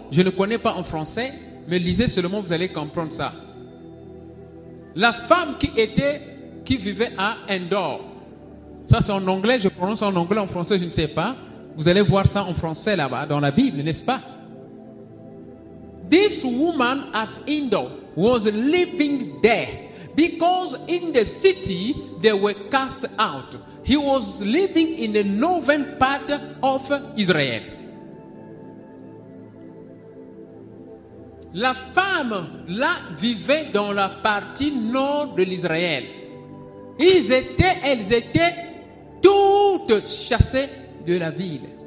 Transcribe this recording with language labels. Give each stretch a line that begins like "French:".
French: Je ne connais pas en français, mais lisez seulement, vous allez comprendre ça. La femme qui vivait à Endor. Ça, c'est en anglais, je prononce en anglais, en français, je ne sais pas. Vous allez voir ça en français là-bas, dans la Bible, n'est-ce pas?
English: This woman at Endor was living there because in the city they were cast out. He was living in the northern part of Israel.
French: La femme là vivait dans la partie nord de l'Israël. Elles étaient toutes chassées de la ville.